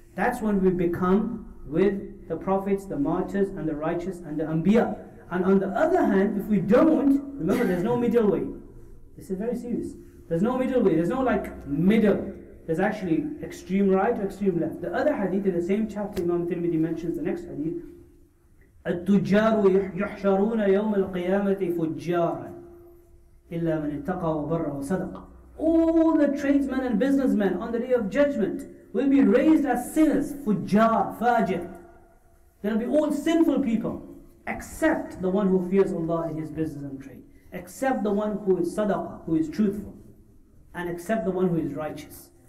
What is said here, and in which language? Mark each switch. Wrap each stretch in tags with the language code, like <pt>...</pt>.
<en>That's when we become with the prophets, the martyrs, and the righteous, and the anbiya. And on the other hand, if we don't, remember there's no middle way. This is very serious. There's no middle way. There's no like middle. There's actually extreme right, extreme left. The other hadith in the same chapter, Imam Tirmidhi mentions the next hadith.</en> <ar>التجار يحشرون يوم القيامة فجارا إلا من اتقى وبر وصدق.</ar> <en>All the tradesmen and businessmen on the day of judgment will be raised as sinners, fujjar, fajr. They'll be all sinful people, except the one who fears Allah in his business and trade, except the one who is sadaqah, who is truthful, and except the one who is righteous.</en>